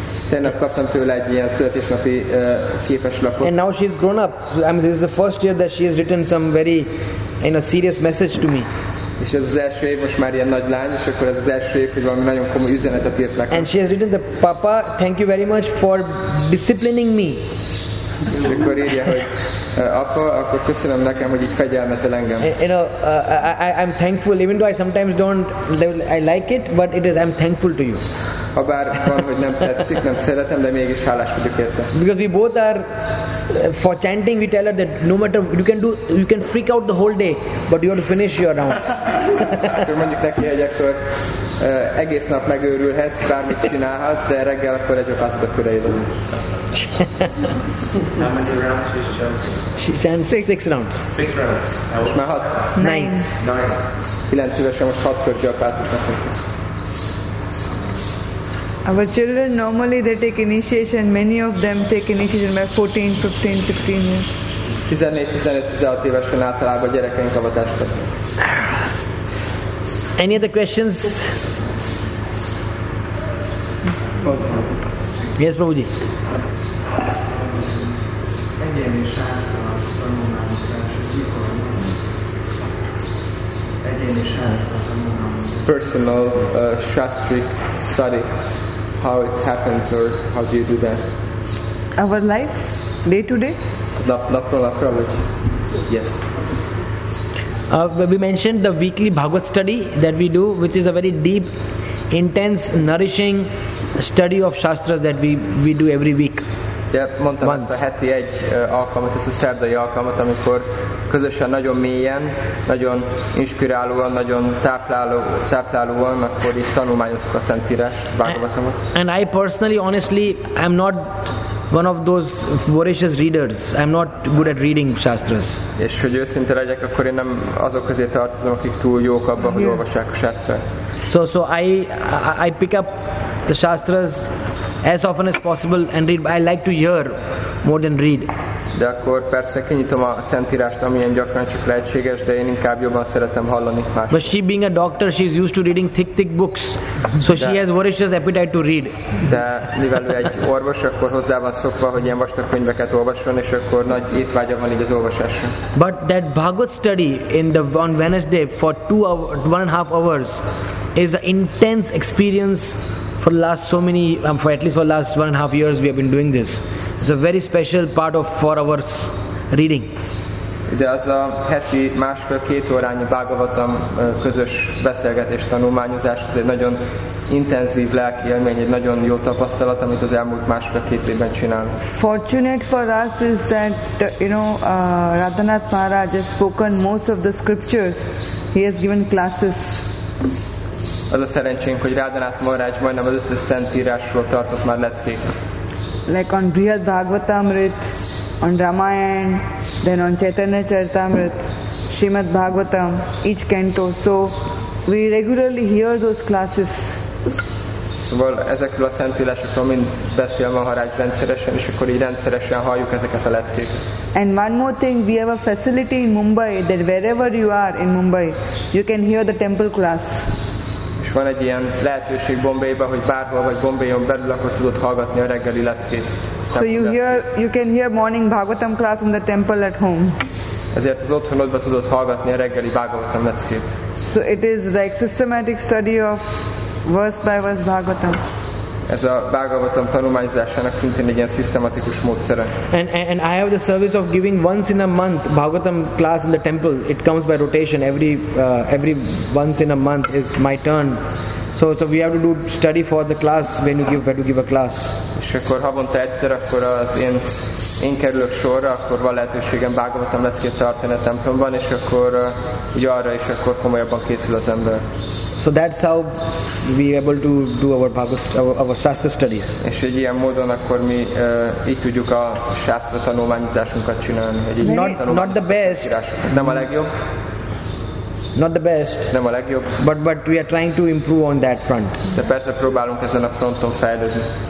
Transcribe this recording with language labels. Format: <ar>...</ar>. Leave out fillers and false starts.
<hu>Tegnap kaptam tőle egy ilyen születésnapi képes lapot.</hu> <en>And now she has grown up. I mean, this is the first year that she has written some very, in a serious message to me.</en> <hu>És ez az első év, most már ilyen nagy lány, és akkor ez az első év, hogy valami nagyon komoly üzenetet írt nekem.</hu> <en>And she has written the papa, thank you very much for disciplining me.</en> <hu>És akkor írja, hogy akkor köszönöm nekem, hogy így fegyelmezel engem.</hu> <en>You know, I'm thankful, even though I sometimes don't, I like it, but it is, I'm thankful to you.</en> <hu>Habár van, hogy nem tetszik, nem szeretem, de mégis hálás vagyok érte.</hu> <en>Because we both are, for chanting, we tell her that no matter, you can freak out the whole day, but you have to finish your round.</en> <hu>Akkor mondjuk neki, hogy akkor egész nap megőrülhetsz, bármit csinálhatsz, de reggel akkor egy okázat a köreidon.</hu> <en>How many rounds did she chant? She chants six rounds. 6 rounds.</en> <hu>És már 6?</hu> <en>9.</en> <hu>9. 9 évesen most 6 kört gyakázott nekünk.</hu> <en>Our children normally they take initiation, many of them take initiation by 14, 15, 16 years.</en> <hu>14-15 évesen általában a gyerekeink avatást kapnak.</hu> <en>Any other questions? Yes, Prabhuji. Personal Shastric study, how it happens or how do you do that? Our life, day to day? Yes. We mentioned the weekly Bhagavad study that we do, which is a very deep, intense, nourishing study of Shastras that we do every week.</en> <hu>Yeah, mondtam ezt a heti egy alkalmat, ezt a szerdai alkalmat, amikor közösen nagyon mélyen, nagyon inspirálóan, nagyon táplálóan, akkor itt tanulmányozunk a Szentírást, Bhagavatamot.</hu> <en>And I personally, honestly, I'm not one of those voracious readers. I'm not good at reading Shastras.</en> <hu>És hogy őszinte legyek, akkor én nem azok közé tartozom, akik túl jók abban, hogy olvassák a Shastrát.</hu> <en>So I pick up the Shastras as often as possible and read, but I like to hear more than read.</en> <hu>De akkor persze kinyitom a Szentírást, amilyen gyakran csak lehetséges, de én inkább jobban szeretem hallani más.</hu> <en>But she being a doctor, she is used to reading thick books, so she has voracious appetite to read.</en> <hu>De mivel ő egy orvos, akkor hozzá van szokva, hogy ilyen vastag könyveket olvasson, és akkor nagy étvágya van így az olvasásra.</hu> <en>But that Bhagavad study on Wednesday for 2 hours, 1.5 hours is an intense experience for the last so many, for at least for the last 1.5 years we have been doing this. It's a very special part of 4 hours reading.</en> <hu>De az a heti másfél-két órányi Bhagavatam közös beszélgetés tanulmányozás, ez egy nagyon intenzív lelki élmény, egy nagyon jó tapasztalat, amit az elmúlt másfél-két évben csinálunk.</hu> <en>Fortunate for us is that, you know, Radhanath Maharaj has spoken most of the scriptures. He has given classes.</en> <hu>Az a szerencsénk, hogy Radhanath Maharaj majdnem az összes szentírásról tartott már leckék.</hu> <en>Like on Brihad Bhagavatamrit, on Ramayana, then on Chaitanya Charitamrit, Srimad Bhagavatam, each canto. So we regularly hear those classes.</en> <hu>Szóval ezekről a szentírásokról mind beszél Maharaj rendszeresen, és akkor így rendszeresen halljuk ezeket a leckéket.</hu> <en>And one more thing, we have a facility in Mumbai that wherever you are in Mumbai, you can hear the temple class.</en> <hu>Van egy ilyen lehetőség Bombayban, hogy bárhol vagy Bombayon belül, akkor tudod hallgatni a reggeli leckét.</hu> <en>So you can hear morning Bhagavatam class in the temple at home.</en> <hu>Ezért az otthonodban tudod hallgatni a reggeli Bhagavatam leckét.</hu> <en>So it is like systematic study of verse by verse Bhagavatam.</en> <hu>Ez a Bhagavatam tanulmányozásának szintén egy ilyen szisztematikus módszere.</hu> <en>And I have the service of giving once in a month Bhagavatam class in the temple. It comes by rotation. Every once in a month is my turn. So we have to do study for the class when you give a class.</en> <hu>És akkor havonta egyszer, akkor az én kerülök sorra, akkor van lehetőségem Bhagavatam leckét tartani a templomban, és akkor arra is akkor komolyabban készül az ember.</hu> <en>So that's how we are able to do our Shastra studies.</en> <hu>És egy ilyen módon akkor mi így tudjuk a Shastra tanulmányozásunkat csinálni.</hu> <en>Not the best.</en> <hu>Nem a legjobb.</hu> <en>Not the best.</en> <hu>Nem a legjobb.</hu> <en>But we are trying to improve on that front.</en> <hu>De persze próbálunk ezen a fronton fejlődni.</hu>